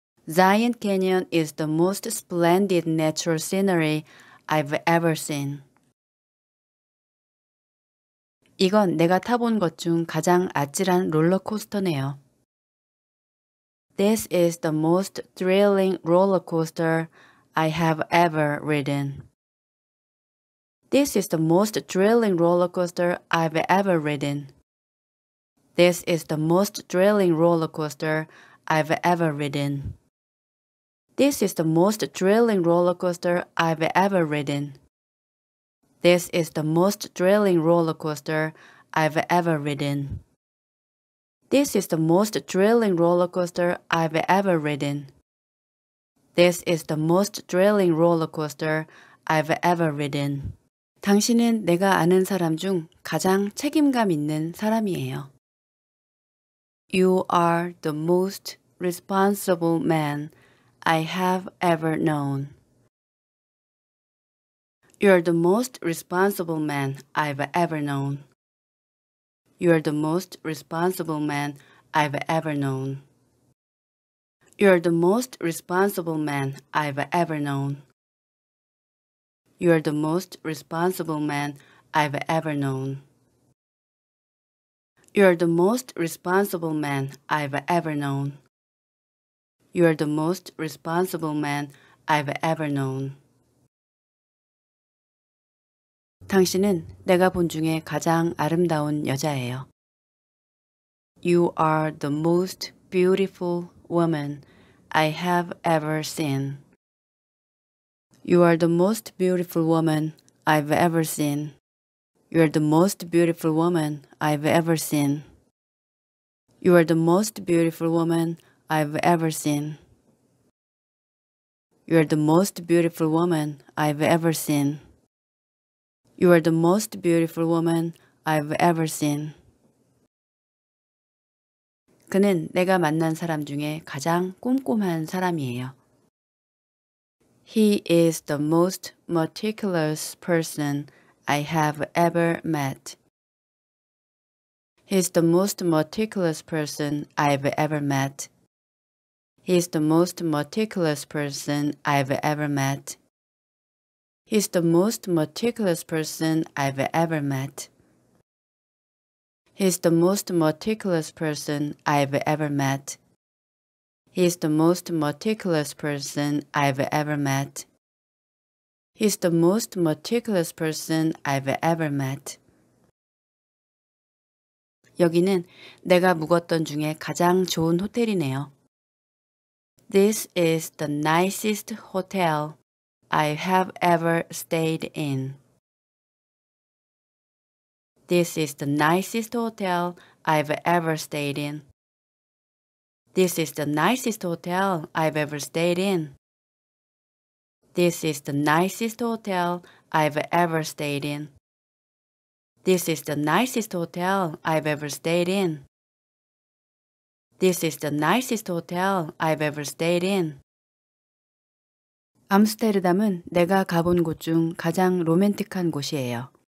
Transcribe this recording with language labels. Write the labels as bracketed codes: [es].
[en] Zion Canyon is the most splendid natural scenery I've ever seen. [ko] 이건 내가 타본 것 중 가장 아찔한 롤러코스터네요. [en] This is the most thrilling roller coaster I have ever ridden. This is the most thrilling roller coaster I've ever ridden. This is the most thrilling roller coaster I've ever ridden. This is the most thrilling roller coaster I've ever ridden. This is the most thrilling roller coaster I've ever ridden. This is the most thrilling roller coaster I've ever ridden. This is the most thrilling roller coaster I've ever ridden. [ko] 당신은 내가 아는 사람 중 가장 책임감 있는 사람이에요. [en] You are the most responsible man I have ever known. You're the most responsible man I've ever known. You're the most responsible man I've ever known. You're the most responsible man I've ever known. You're the most responsible man I've ever known. You're the most responsible man I've ever known. You're the most responsible man I've ever known. [ko] 당신은 내가 본 중에 가장 아름다운 여자예요. [en] You are the most beautiful woman I have ever seen. You are the most beautiful woman I've ever seen. You are the most beautiful woman I've ever seen. You are the most beautiful woman I've ever seen. You are the most beautiful woman I've ever seen. You are the most beautiful woman I've ever seen. [ko] 그는 내가 만난 사람 중에 가장 꼼꼼한 사람이에요. [en] He is the most meticulous person I have ever met. He is the most meticulous person I've ever met. He is the most meticulous person I've ever met. He is the most meticulous person I've ever met. He is the most meticulous person I've ever met. He is the most meticulous person I've ever met. He is the most meticulous person I've ever met. [ko] 여기는 내가 묵었던 중에 가장 좋은 호텔이네요. [en] This is the nicest hotel I have ever stayed in. This is the nicest hotel I've ever stayed in. This is the nicest hotel I've ever stayed in. This is the nicest hotel I've ever stayed in. This is the nicest hotel I've ever stayed in. This is the nicest hotel I've ever stayed in. [ko] 암스테르담은 내가 가본 곳 중 가장 로맨틱한 곳이에요.